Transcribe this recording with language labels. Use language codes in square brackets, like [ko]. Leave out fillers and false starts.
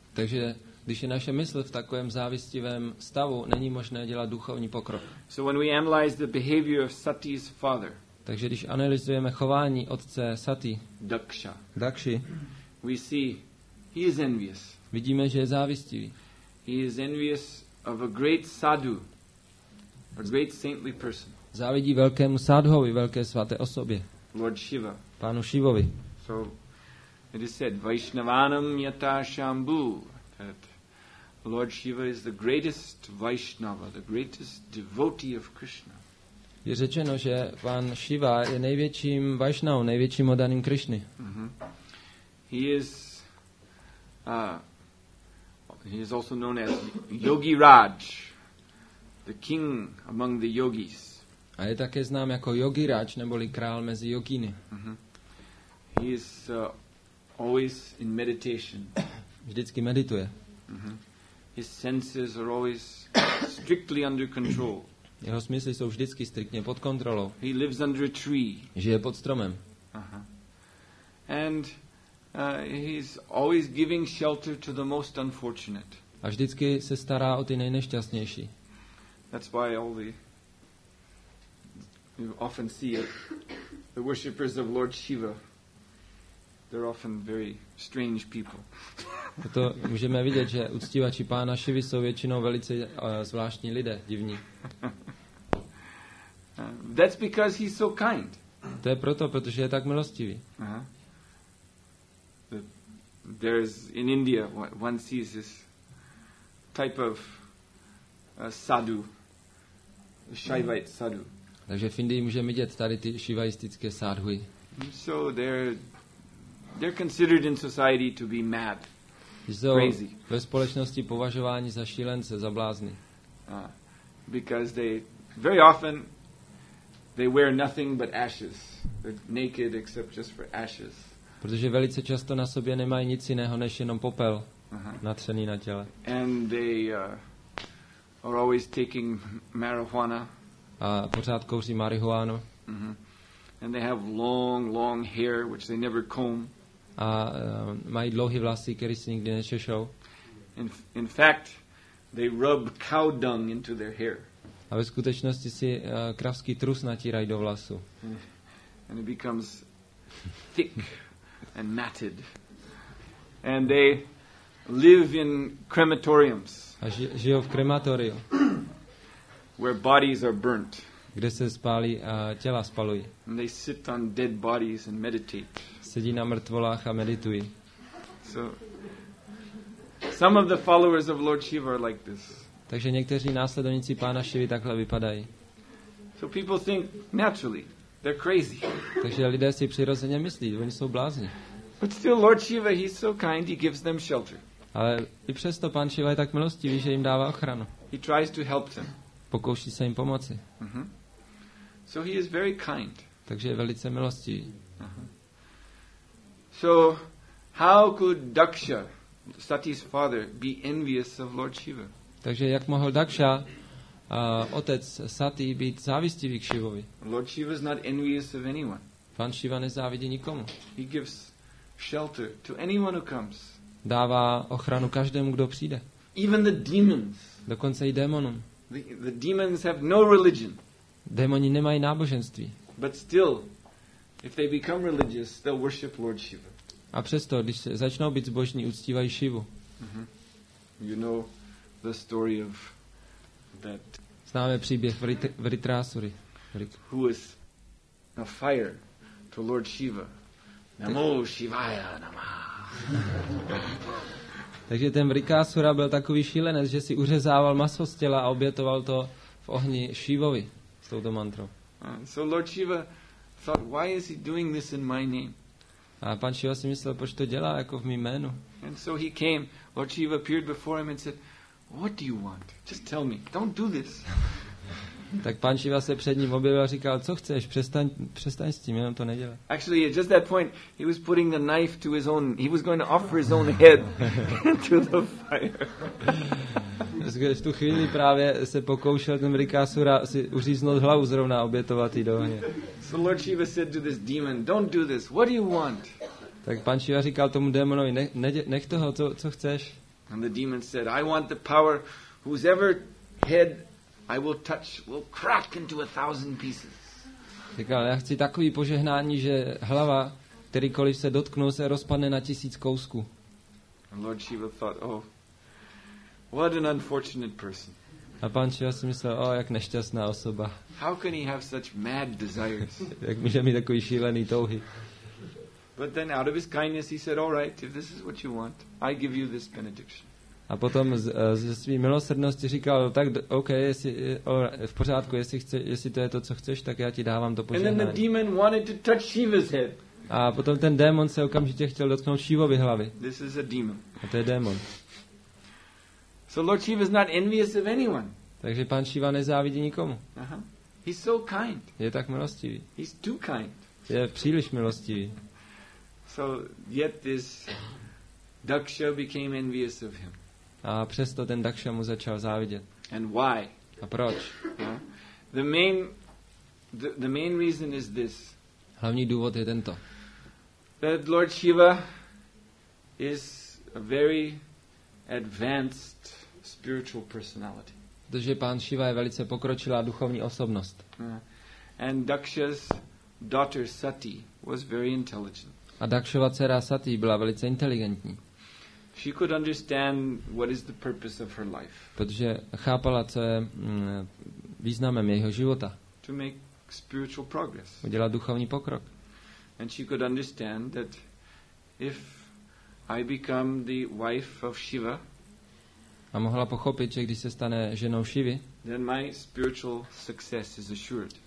[cs] Takže když je naše mysl v takovém závistivém stavu, není možné dělat duchovní pokrok. [en] So when we analyze the behavior of Sati's father, [cs] takže když analyzujeme chování otce Sati, [en] Dakshi, we see he is envious. [cs] Vidíme, že je závistivý. [en] He is envious of a great sadhu, a great saintly person. [cs] Závidí velkému sadhovi, velké svaté osobě. [en] Lord Shiva. [cs] Pánu Shivovi. [en] So it is said, [sa] Vaishnavanam yata shambhu, [en] that Lord Shiva is the greatest Vaishnava, the greatest devotee of Krishna. [cs] Je řečeno, že pan Shiva je největším Vaishnavou, největším oddaným Krishny. [en] He is he is also known as Yogi Raj, the king among the yogis. [cs] A je také znám jako Yogi Raj, neboli král mezi yogíny. [en] He is always in meditation. [cs] Vždycky medituje. [en] His senses are always strictly under control. [cs] Jeho smysly jsou vždycky striktně pod kontrolou. [en] He lives under a tree. [cs] Žije pod stromem. [en] And he's always giving shelter to the most unfortunate. [cs] A vždycky se stará o ty nejnešťastnější. [en] That's why all the you often see it, the worshippers of Lord Shiva. They're often very strange people. [cs] Proto můžeme vidět, že uctívači pána Šivy jsou většinou velice zvláštní lidé, divní. [en] That's because he's so kind. [cs] To je proto, protože je tak milostivý. [en] There is in India one sees this type of sadhu, Shaivite sadhu. [cs] Takže v Indii můžeme vidět tady ty šivaistické sadhuji. [en] So they're considered in society to be mad. Crazy. [cs] Ve společnosti považování za šílence, za blázny. [en] Because they very often they wear nothing but ashes. They're naked except just for ashes. [cs] Protože velice často na sobě nemají nic jiného než jenom popel natřený na těle. [en] And they are always taking marijuana. [cs] A pořád kouří marihuanu. [en] And they have long hair which they never comb. [cs] A mají dlouhé vlasy, které si nikdy nečešou. [en] In fact, they rub cow dung into their hair. [cs] A ve skutečnosti si kravský trus natírají do vlasu. [en] And it becomes thick and matted. And they live in crematoriums. [cs] A žijou v krematoriu. [en] Where bodies are burnt. [cs] Kde se spálí a těla spalují. [en] And they sit on dead bodies and meditate. [cs] Sedí na mrtvolách a meditují. [en] So some of the followers of Lord Shiva are like this. [cs] Takže někteří následovníci pána Šivy takhle vypadají. [en] So people think naturally. They're crazy. [cs] Takže lidé si přirozeně myslí, oni jsou blázni. [en] But still, Lord Shiva, he's so kind, he gives them shelter. [cs] Ale i přesto pán Šiva je tak milostivý, že jim dává ochranu. [en] He tries to help them. [cs] Pokouší se jim pomoci. [en] So he is very kind. [cs] Takže je velice milostivý. [en] So how could Daksha, Sati's father, be envious of Lord Shiva? [cs] Takže jak mohl Daksha, otec Sati, být závistivý k Šivovi? [en] Lord Shiva is not envious of anyone. [cs] Pán Šiva nezávidí nikomu. [en] He gives shelter to anyone who comes. [cs] Dává ochranu každému, kdo přijde. [en] Even the demons. [cs] Dokonce i démonům. [en] The demons have no religion. [cs] Démoni nemají náboženství. [en] But still, if they become religious, they'll worship Lord Shiva. [cs] A přesto, když se začnou být zbožní, uctívají Šivu. [en] You know the story of that. [cs] Známe příběh Vritrasury. [en] Who is a fire to Lord Shiva? [sa] Namo Shivaya namah. [cs] Takže ten Vritrasura byl takový šílenec, že si uřezával maso z těla a obětoval to v ohni Šivovi s touto mantrou. [en] So Lord Shiva thought, why is he doing this in my name? [cs] A pan Shiva si myslel, proč to dělá jako v mým jménu. [en] And so he came. Lord Shiva appeared before him and said, what do you want? Just tell me. Don't do this. [cs] Tak pan Shiva se před ním objevil a říkal, co chceš? Přestaň s tím, jenom to nedělej. [en] Actually, at just that point, he was putting the knife to his own. He was going to offer his own head to the fire. [cs] V tu chvíli právě se pokoušel ten Vritrasura si uříznout hlavu zrovna obětovat jí do ohně. [en] So Lord Shiva said to this demon, don't do this. What do you want? [cs] Tak pan Shiva říkal tomu démonovi, nech toho, co chceš? [en] And the demon said, I want the power whose ever head I will touch will crack into a thousand pieces. [cs] Říkal, já chci takový požehnání, že hlava, kterýkoliv se dotknu, se rozpadne na tisíc kousků. [en] And Lord Shiva thought, oh, what an unfortunate person. [cs] A pan Shiva si myslel, oh, jak nešťastná osoba. [en] How can he have such mad desires? [cs] Jak může mít takový šílený touhy? [en] But then out of his kindness he said, all right, if this is what you want, I give you this benediction. [cs] A potom ze své milosrdnosti říkal, tak OK, v pořádku, jestli to je to, co chceš, tak já ti dávám to požehnání. [en] And then the demon wanted to touch Shiva's head. [cs] A potom ten démon se okamžitě chtěl dotknout Shivovy hlavy. [en] This is a demon. [cs] A to je démon. [en] So Lord Shiva is not envious of anyone. [cs] Takže pan Shiva nezávidí nikomu. [en] He's so kind. [cs] Je tak milostivý. [en] He's too kind. [cs] Je příliš milostivý. [en] So yet this Daksha became envious of him. [cs] A přesto ten Daksha mu začal závidět. [en] And why? [cs] A proč? [en] The main reason is this. [cs] Hlavní důvod je tento. [en] That Lord Shiva is a very advanced spiritual personality. [cs] Protože pán Shiva je velice pokročilá duchovní osobnost. [en] And Daksha's daughter Sati was very intelligent. [cs] A Dakšova dcera Sati byla velice inteligentní. [en] She could understand what is the purpose of her life. [cs] Protože chápala, co je významem jejího života. [en] To make spiritual progress. [cs] Udělat duchovní pokrok. [en] And she could understand that if I become the wife of Shiva. [cs] A mohla pochopit, že když se stane ženou Šivy, [en] then my spiritual success is assured.